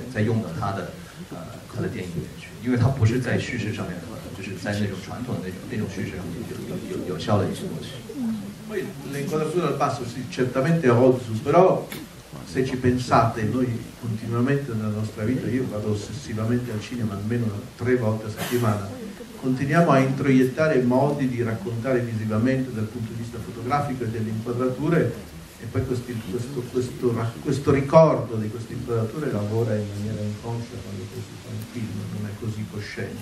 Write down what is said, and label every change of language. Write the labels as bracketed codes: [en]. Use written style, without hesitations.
[it] Questo è un po' di un'altra cosa. [zh] 因为它不是在叙事上面，就是在那种传统的那种叙事上面有效的一些东西。 [it] Poi l'inquadratura dal basso sì, certamente è Ozu, però se ci pensate, noi continuamente nella nostra vita, io vado ossessivamente al cinema almeno 3 volte a settimana, continuiamo a introiettare modi di raccontare visivamente dal punto di vista fotografico e delle inquadrature, e poi questo ricordo di queste inquadrature lavora in maniera inconscia quando si fa un film.